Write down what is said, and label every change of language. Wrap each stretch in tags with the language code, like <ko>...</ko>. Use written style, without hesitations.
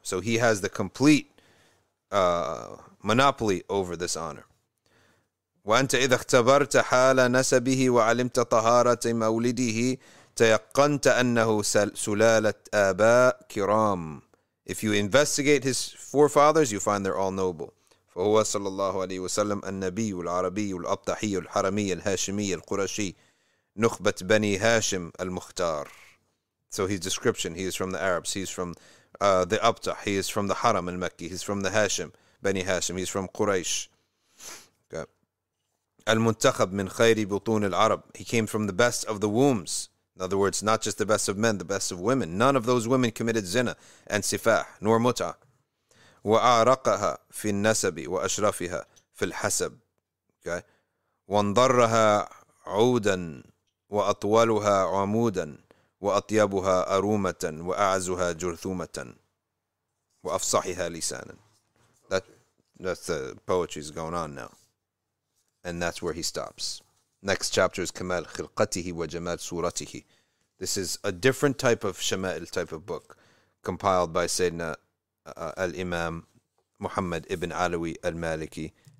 <en>So he has the complete monopoly over this honor.</en> <ar>وأنت إذا اختبرت حال نسبه وعلمت طهارة مولده تيقنت أنه سلالة آباء كرام.</ar> <en>If you investigate his forefathers, you find they're all noble.</en> <ar>هو صلى الله عليه وسلم النبي العربي الأبطحي الحرمي الهاشمي القرشي نخبة بني هاشم المختار.</ar> <en>So his description, he is from the Arabs, he is from the Abtah, he is from the Haram المكي, he is from the Hashim, بني هاشم, he is from Quraysh. Okay.</en> <ar>المنتخب من خير بطون العرب.</ar> <en>He came from the best of the wombs. In other words, not just the best of men, the best of women. None of those women committed zina and sifah, nor muta.</en> <ar>وأعرقها في النسب وأشرفها في الحسب.</ar> <en>Okay.</en> <ar>وانضرها عودا وأطولها عمودا وأطيبها أرومة وأعزها جرثومة. وأفصحها لسانا.</ar> <en>That's the poetry is going on now. And that's where he stops. Next chapter is Kamal Khilqatihi wa Jamal Suratihi. This is a different type of Shama'il type of book compiled by Sayyidina Al-Imam Muhammad ibn Alawi al-Maliki.</en>